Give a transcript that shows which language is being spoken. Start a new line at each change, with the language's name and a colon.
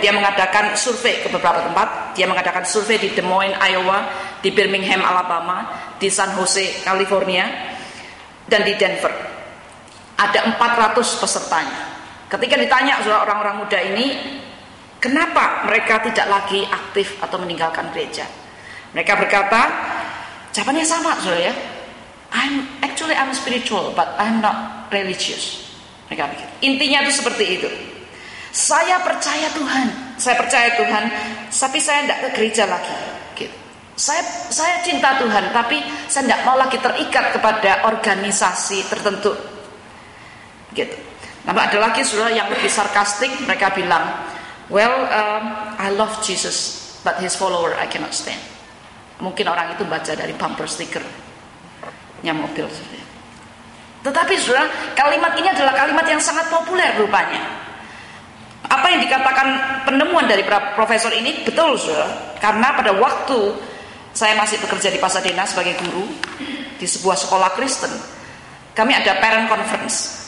Indonesian: Dia mengadakan survei ke beberapa tempat. Dia mengadakan survei di Des Moines, Iowa, di Birmingham, Alabama, di San Jose, California, dan di Denver. Ada 400 pesertanya. Ketika ditanya oleh orang-orang muda ini, kenapa mereka tidak lagi aktif atau meninggalkan gereja? Mereka berkata, jawabannya sama, saudara ya.
English: I'm spiritual, but I'm not religious.
Indonesian: Mereka pikir. Intinya itu seperti itu. Saya percaya Tuhan. Saya percaya Tuhan, tapi saya tidak ke gereja lagi. Saya cinta Tuhan, tapi saya tidak mau lagi terikat kepada organisasi tertentu. Gitu. Nampak ada lagi saudara yang lebih sarkastik. Mereka bilang,
English: well, I love Jesus, but his follower I cannot stand.
Indonesian: Mungkin orang itu baca dari bumper stikernya mobil. Tetapi saudara, kalimat ini adalah kalimat yang sangat populer rupanya. Apa yang dikatakan penemuan dari profesor ini betul saudara, karena pada waktu saya masih bekerja di Pasadena sebagai guru di sebuah sekolah Kristen, kami ada parent conference.